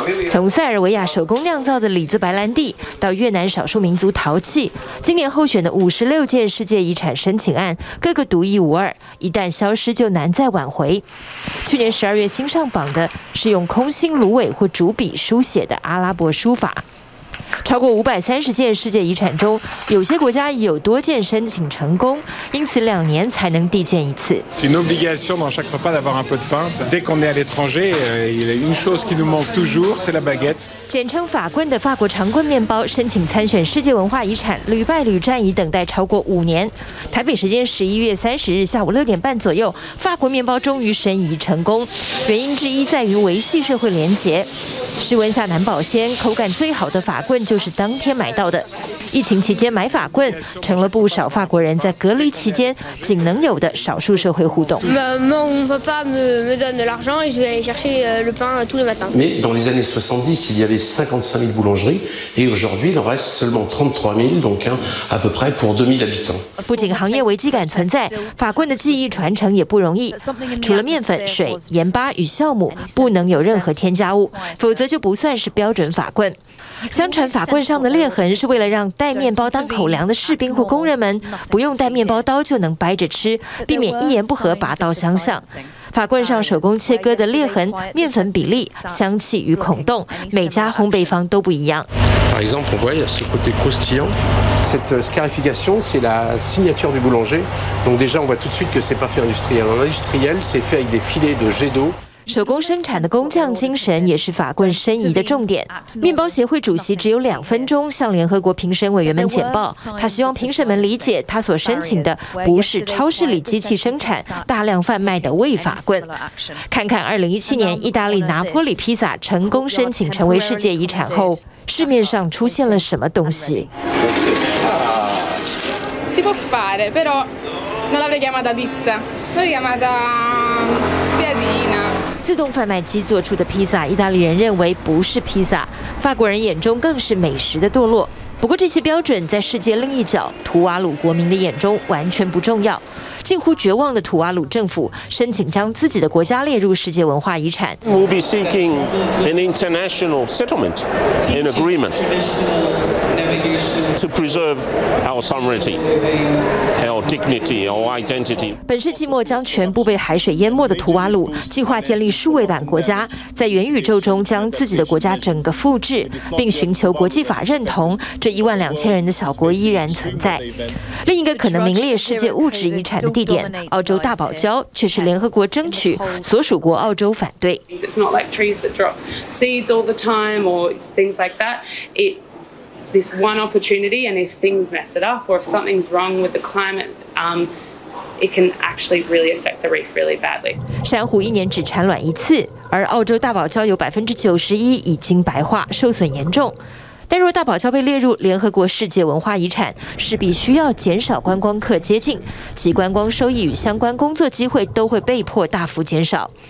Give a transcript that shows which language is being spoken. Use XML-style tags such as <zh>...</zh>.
<zh>从塞尔维亚手工酿造的李子白兰地，到越南少数民族陶器，今年候选的56件世界遗产申请案，个个独一无二，一旦消失就难再挽回。去年12月新上榜的是用空心芦苇或竹笔书写的阿拉伯书法。超过530件世界遗产中，有些国家有多件申请成功，因此2年才能递件一次。</zh> <fr>C'est une obligation dans chaque repas d'avoir un peu de pain. Dès qu'on est à l'étranger, il y a une chose qui nous manque toujours, c'est la baguette.</fr> <zh>简称法棍的法国长棍面包申请参选世界文化遗产，屡败屡战，已等待超过5年。台北时间11月30日下午6点半左右，法国面包终于申遗成功。原因之一在于维系社会连结。室温下难保鲜，口感最好的法棍就是当天买到的。疫情期间买法棍，成了不少法国人在隔离期间仅能有的少数社会互动。</zh> <fr>Maman ou papa me donne de l'argent et je vais chercher le pain tous les matins. Mais dans les années 70, il y avait 55 000 boulangeries et aujourd'hui, il en reste seulement 33 000, donc à peu près pour 2 000 habitants.</fr> <zh>不仅行业危机感存在，法棍的技艺传承也不容易。除了面粉、水、盐巴与酵母，不能有任何添加物，否则就不算是标准法棍。相传法棍上的裂痕是为了让带面包当口粮的士兵或工人们不用带面包刀就能掰着吃，避免一言不合拔刀相向。法棍上手工切割的裂痕、面粉比例、香气与孔洞，每家烘焙坊都不一样。</zh> <fr>Par exemple, on voit il y a ce côté croustillant. Cette scarification, c'est la signature du boulanger. Donc déjà, on voit tout de suite que c'est pas fait industriel. En industriel, c'est fait avec des filets de jet d'eau.</fr> <zh>手工生产的工匠精神也是法棍申遗的重点。面包协会主席只有2分钟向联合国评审委员们简报，他希望评审们理解他所申请的不是超市里机器生产大量贩卖的伪法棍。看看2017年意大利拿破里披萨成功申请成为世界遗产后，市面上出现了什么东西。</zh> <it>Si può fare, però non l'avrei chiamata pizza, l'avrei chiamata piadina.</it> <zh>自动贩卖机做出的披萨，意大利人认为不是披萨，法国人眼中更是美食的堕落。不过这些标准在世界另一角图瓦鲁国民的眼中完全不重要。近乎绝望的图瓦鲁政府申请将自己的国家列入世界文化遗产。</zh> <en>We'll be seeking an international settlement, an agreement to preserve our sovereignty, our dignity, our identity.</en> <zh>本世纪末将全部被海水淹没的图瓦鲁计划建立数位版国家，在元宇宙中将自己的国家整个复制，并寻求国际法认同。这12000人的小国依然存在。另一个可能名列世界物质遗产的地点，澳洲大堡礁，却是联合国争取，所属国澳洲反对。</zh> <en>It's not like trees that drop seeds all the time or things like that. It's this one opportunity, and if things mess it up or if something's wrong with the climate, it can actually really affect the reef really badly.</en> <zh>珊瑚一年只产卵一次，而澳洲大堡礁有91%已经白化，受损严重。但若大堡礁被列入联合国世界文化遗产，势必需要减少观光客接近，其观光收益与相关工作机会都会被迫大幅减少。</zh>